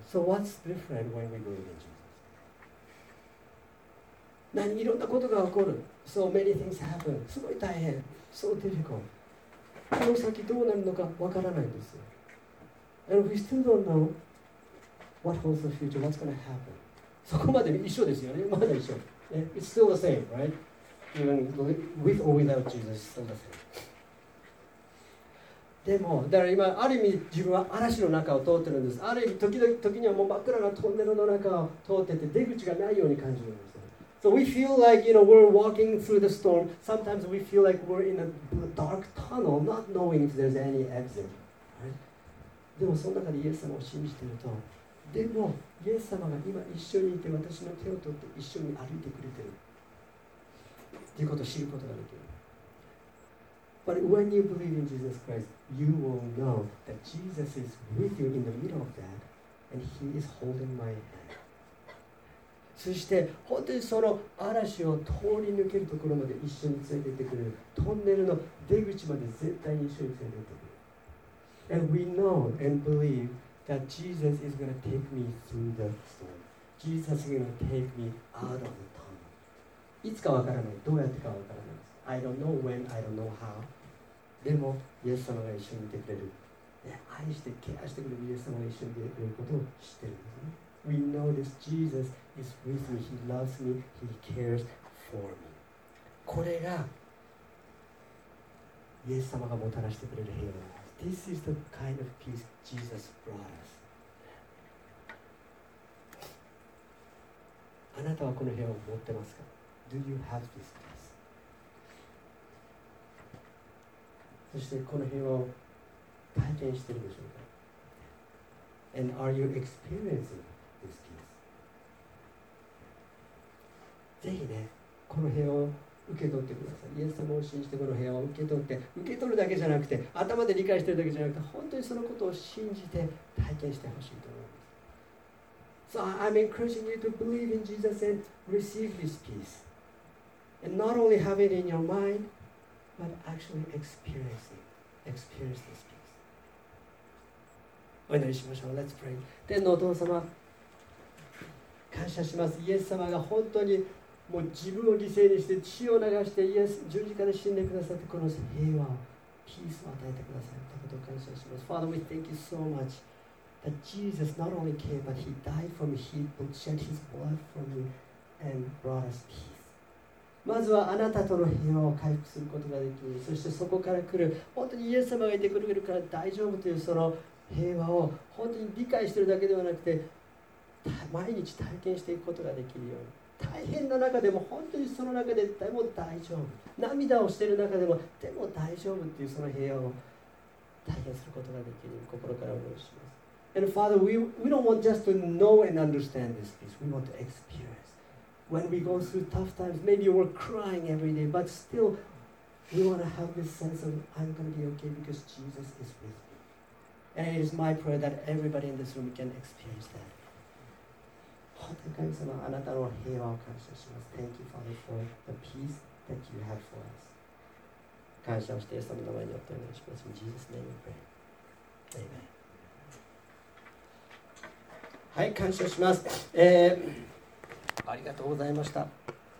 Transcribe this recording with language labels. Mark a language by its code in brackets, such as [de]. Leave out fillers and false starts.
[en] So what's different when we believe in Jesus? [ja] 何いろんなことが起こる。 [en] So many things happen. すごい大変。 So difficult. [ja] この先どうなるのかわからないんですよ。 [en] And we still don't know what holds the future, what's going to happen. [ja] そこまで一緒ですよね。まだ一緒。 [en] It's still the same, right? Even with or without Jesus, still the same. [ja] でもだから今ある意味自分は嵐の中を通ってるんです。ある意味時にはもう真っ暗なトンネルの中を通ってて出口がないように感じるんです。 [en] So we feel like, you know, we're walking through the storm. Sometimes we feel like we're in a dark tunnel, not knowing if there's any exit, right? [ja] でもその中でイエス様を信じてると、でもイエス様が今一緒にいて私の手を取って一緒に歩いてくれてるっていうことを知ることができる。 [en] But when you believe in Jesus Christ, you will know that Jesus is with you in the middle of that, and He is holding my hand. [ja] そして本当にその嵐を通り抜けるところまで一緒に連れて行ってくれる。トンネルの出口まで絶対に一緒に連れて行ってくれる。 [en] And we know and believe that Jesus is going to take me through the storm. Jesus is going to take me out of the tunnel. [ja] いつかわからない。どうやってかわからない。 [en] I don't know when, I don't know how. [ja] でも、イエス様が一緒にいてくれる。愛して、ケアしてくれるイエス様が一緒にいてくれることを知ってるんですね。 [en] We know this. Jesus is with me. He loves me. He cares for me. [ja] これが、イエス様がもたらしてくれる平和です。 [en] This is the kind of peace Jesus brought us. [ja] あなたはこの平和を持ってますか? [en] Do you have this peace? [ja] そしてこの平和を体験しているでしょうか? [en] And are you experiencing this peace? [ja] ぜひね、この平和を受け取ってください。イエス様を信じてこの平和を受け取って、受け取るだけじゃなくて、頭で理解しているだけじゃなくて、本当にそのことを信じて体験してほしいと思います。 [en] So I'm encouraging you to believe in Jesus and receive this peace. And not only have it in your mind,but actually experience this peace. [ja] お祈りしましょう。 Let's pray. 天のお父様、感謝します。イエス様が本当にもう自分を犠牲にして血を流してイエス十字架で死んでくださって、この平和を、ピースを与えてくださったことを感謝します。 [en] Father, we thank you so much that Jesus not only came, but He died for me. He shed His blood for me and brought us peace. [ja] まずはあなたとの平和を回復することができる。そしてそこから来る、本当にイエス様がいてくれるから大丈夫というその平和を本当に理解しているだけではなくて、毎日体験していくことができるように、大変な中でも本当にその中で、でも大丈夫、涙をしている中でも、でも大丈夫というその平和を体験することができるように心からお願いします。 [en] And Father, we don't want just to know and understand this peace. We want to experienceWhen we go through tough times, maybe we're crying every day, but still, we want to have this sense of, I'm going to be okay because Jesus is with me. And it is my prayer that everybody in this room can experience that. [ja] 本当に神様、あなたの平和を感謝します。 [en] Thank you, Father, for the peace that you have for us. [ja] 感謝をして、イエス様の名前によってお願いします。 [en] In Jesus' name we pray. Amen. [ja] はい、感謝します。ありがとうございました。